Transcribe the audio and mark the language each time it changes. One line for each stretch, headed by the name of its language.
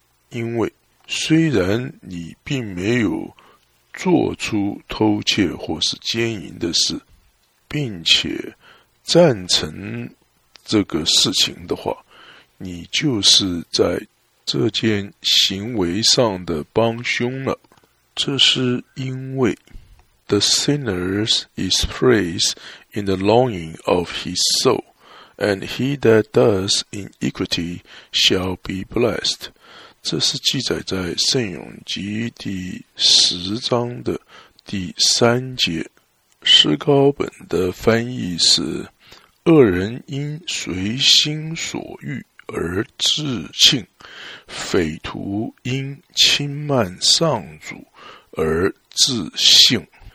Chinese: 因为虽然你并没有做出偷窃或是奸淫的事，并且赞成这个事情的话，你就是在这件行为上的帮凶了。这是因为
English: The sinner is praised in the longing of his soul, and he that does iniquity shall be blessed。
Chinese: 这是记载在圣咏集第十章的第三节。诗高本的翻译是，恶人因随心所欲而自庆，匪徒因轻慢上主而自幸。